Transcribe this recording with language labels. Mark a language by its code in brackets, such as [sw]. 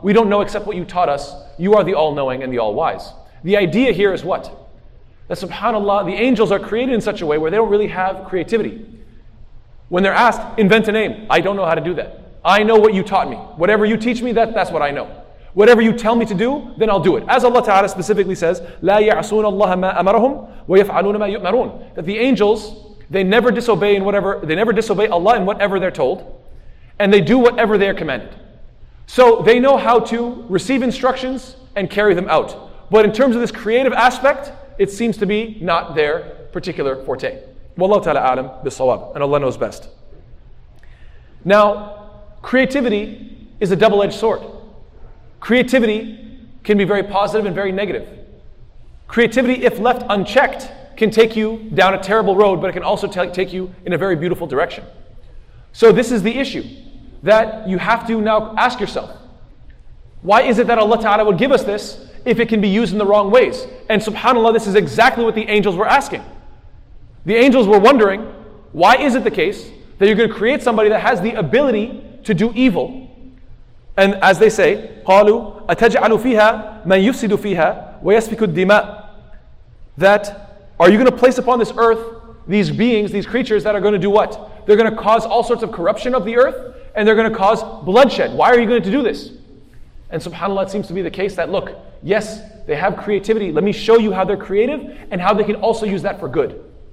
[en] We don't know except what you taught us. You are the all-knowing and the all-wise. The idea here is what? That subhanAllah, the angels are created in such a way where they don't really have creativity. When they're asked, invent a name. I don't know how to do that. I know what you taught me. Whatever you teach me, that's what I know. Whatever you tell me to do, then I'll do it. As Allah Ta'ala specifically says, [ar] لَا يَعْصُونَ اللَّهَ مَا أَمَرَهُمْ وَيَفْعَلُونَ مَا يُؤْمَرُونَ. [en] That the angels, they never disobey Allah in whatever they're told, and they do whatever they're commanded. So they know how to receive instructions and carry them out. But in terms of this creative aspect, it seems to be not their particular forte. [ar] وَاللَّهُ تَعَلَىٰ أَعْلَمْ بِالصَّوَابِ. [en] And Allah knows best. Now, creativity is a double-edged sword. Creativity can be very positive and very negative. Creativity, if left unchecked, can take you down a terrible road, but it can also take you in a very beautiful direction. So this is the issue that you have to now ask yourself. Why is it that Allah Ta'ala would give us this if it can be used in the wrong ways? And subhanAllah, this is exactly what the angels were asking. The angels were wondering, why is it the case that you're going to create somebody that has the ability to do evil? And as they say, [ar] قَالُوا أَتَجْعَلُ فِيهَا مَنْ يُفْسِدُ فِيهَا وَيَسْفِكُ الدِّمَاءِ. [en] That, are you going to place upon this earth these beings, these creatures that are going to do what? They're going to cause all sorts of corruption of the earth, and they're going to cause bloodshed. Why are you going to do this? And subhanAllah, it seems to be the case that, look, yes, they have creativity. Let me show you how they're creative and how they can also use that for good.